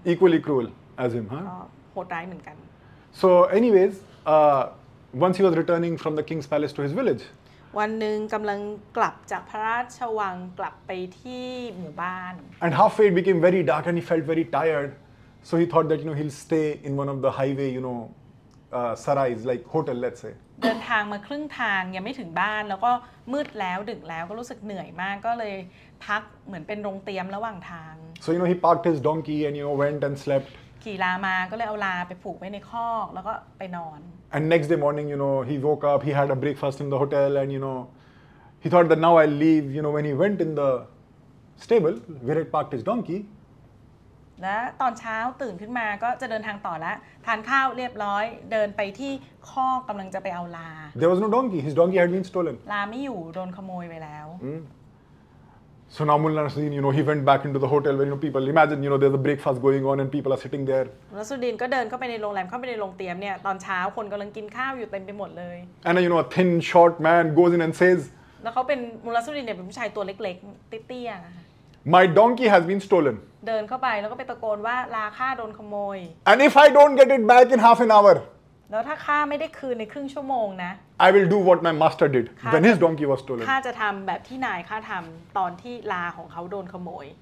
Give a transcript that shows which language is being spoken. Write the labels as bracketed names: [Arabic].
[English] equally cruel as him huh [Thai] โหดร้ายเหมือนกัน [English] So anyways, once he was returning from the king's palace to his village. One [Thai] หนึ่งกำลังกลับจากพระราชวังกลับไปที่หมู่บ้าน [English] And halfway it became very dark and he felt very tired. So he thought that, you know, he'll stay in one of the highway, you know, sarais, like hotel, let's say. [Thai] เดินทางมาครึ่งทางยังไม่ถึงบ้านแล้วก็มืดแล้วดึกแล้วก็รู้สึกเหนื่อยมากก็เลยพักเหมือนเป็นโรงเตียมระหว่างทาง [English] So, you know, he parked his donkey and, you know, went and slept [Thai] ขี่ลามาก็เลยเอาลาไปผูกไว้ในคอกแล้วก็ไปนอน [English] And next day morning you know he woke up he had a breakfast in the hotel and you know he thought that now I'll leave you know when he went in the stable where he parked his donkey [Thai] และตอนเช้าตื่นขึ้นมาก็จะเดินทางต่อละทานข้าวเรียบร้อยเดินไปที่คอกกำลังจะไปเอาลา [English] There was no donkey his donkey had been stolen [Thai] ลาไม่อยู่โดนขโมยไปแล้ว [English] So now Mullah Nasruddin, you know, he went back into the hotel where, you know, people, imagine, you know, there's a breakfast going on and people are sitting there. [Thai] Mullah Nasruddin ก็เดินเข้าไปในโรงแรมเข้าไปในโรงเตรียมเนี่ยตอนเช้าคนกำลังกินข้าวอยู่เต็มไปหมดเลย [English] And, you know, a thin, short man goes in and says, [Thai] แล้วเขาเป็นมุลลาสุดินเนี่ยเป็นผู้ชายตัวเล็กๆเตี้ย [English] ๆ My donkey has been stolen. [Thai] เดินเข้าไปแล้วก็ไปตะโกนว่าลาข้าโดนขโมย [English] And if I don't get it back in half an hour, [Thai] แล้วถ้าข้าไม่ได้คืนในครึ่งชั่วโมงนะ [English] I will do what my master did when his donkey was stolen [Thai] ข้าจะทำแบบที่นายข้าทำตอนที่ลาของเขาโดนขโมย